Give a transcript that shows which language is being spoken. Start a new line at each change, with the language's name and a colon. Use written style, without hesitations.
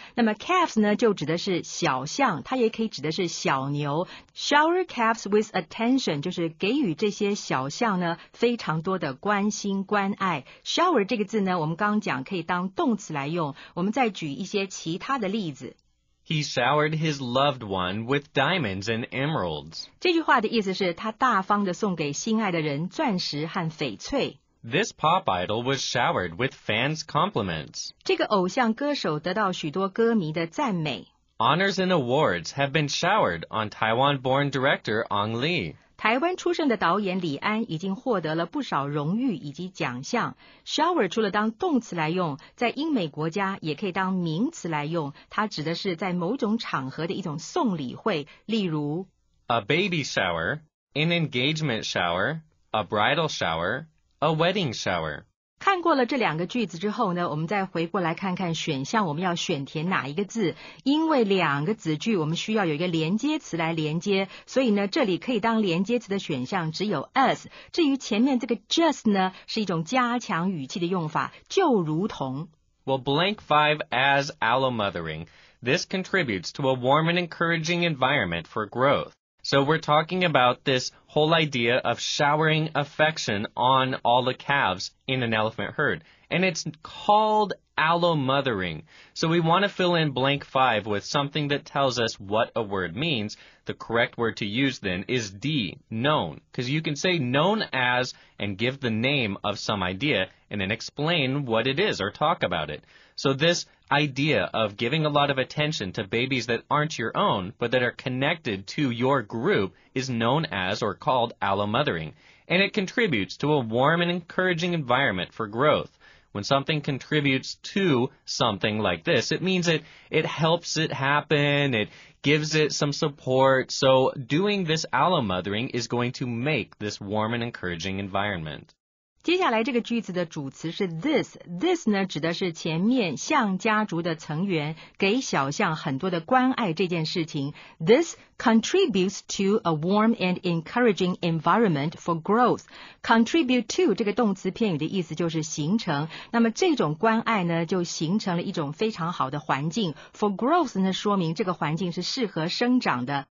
Chinese: 那么 calves 呢就指的是小象它也可以指的是小牛
English: shower calves with attention
Chinese: 就是给予这些小象呢非常多的关心关爱 shower 这个字呢我们刚讲可以当动词来用我们再举一些其他的例子
English: He showered his loved one with diamonds and emeralds.
Chinese: 这句话的意思是他大方地送给心爱的人钻石和翡翠。
English: This pop idol was showered with fans' compliments.
Chinese: 这个偶像歌手得到许多歌迷的赞美。
English: Honors and awards have been showered on Taiwan-born director Ang Lee.
Chinese: 台湾出生的导演李安已经获得了不少荣誉以及奖项。 Shower 除了当动词来用，在英美国家也可以当名词来用，它指的是在某种场合的一种送礼会，例如
English: A baby shower, an engagement shower, a bridal shower, a wedding shower.
Chinese: 看过了这两个句子之后呢我们再回过来看看选项我们要选填哪一个字因为两个子句我们需要有一个连接词来连接所以呢这里可以当连接词的选项只有 as 至于前面这个 just 呢是一种加强语气的用法就如同
English: Well blank five as allomothering This contributes to a warm and encouraging environment for growth So we're talking about this whole idea of showering affection on all the calves in an elephant herd. And it's called allomothering. So we want to fill in blank five with something that tells us what a word means. The correct word to use then is D, known. Because you can say known as and give the name of some idea and then explain what it is or talk about it. So this idea of giving a lot of attention to babies that aren't your own but that are connected to your group is known as or called allomothering. And it contributes to a warm and encouraging environment for growth. When something contributes to something like this, it means it helps it happen, it gives it some support. So doing this allomothering is going to make this warm and encouraging environment.
Chinese: 接下来这个句子的主词是 this 呢指的是前面象家族的成员给小象很多的关爱这件事情。
English: This contributes to a warm and encouraging environment for growth.
Chinese: Contribute to 这个动词片语的意思就是形成，那么这种关爱呢就形成了一种非常好的环境。 For growth 呢说明这个环境是适合生长的。